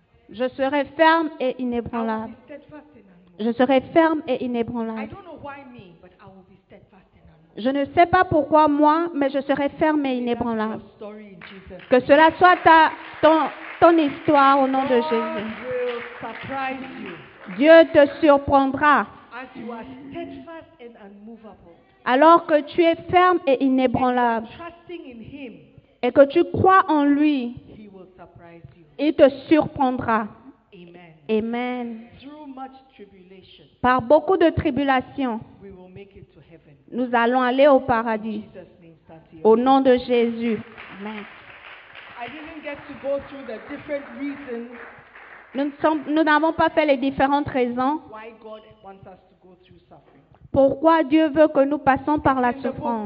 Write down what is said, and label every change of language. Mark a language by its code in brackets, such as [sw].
[fr] Je serai ferme et inébranlable. Je serai ferme et inébranlable. [en] I don't know why me, but I will be steadfast and unmovable. [fr] Je ne sais pas pourquoi moi, mais je serai ferme et inébranlable. [en] That's your story in Jesus. [fr] Que cela soit ton histoire au nom [en] God [fr] de Jésus. [en] Will surprise you. [fr] Dieu te surprendra. [en] As you are steadfast and unmovable. [fr] Alors que tu es ferme et inébranlable. [en] And trusting in him, [fr] et que tu crois en lui. [en] He will surprise you. [fr] Il te surprendra. Amen. Amen. [en] Much tribulation. [fr] Par beaucoup de tribulations, [en] we will make it to heaven. [fr] Nous allons aller au paradis. [en] Jesus name, [fr] au nom de Jésus. Amen. [en] I didn't get to go through the different reasons. [fr] Nous n'avons pas fait les différentes raisons. [en] Why God wants us to go through suffering. [fr] Pourquoi Dieu veut que nous passions par la souffrance?